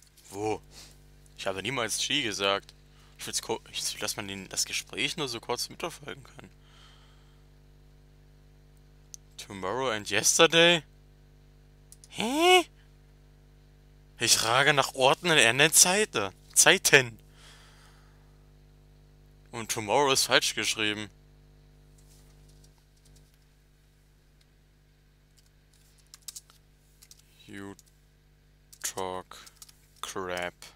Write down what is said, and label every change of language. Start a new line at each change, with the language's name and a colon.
German: Wo? Ich habe niemals she gesagt. Ich will, dass man das Gespräch nur so kurz mitverfolgen kann.
English: Tomorrow and yesterday? Hä?
German: Ich frage nach Orten in anderen Zeiten. Zeiten. Und tomorrow ist falsch geschrieben.
English: You talk crap.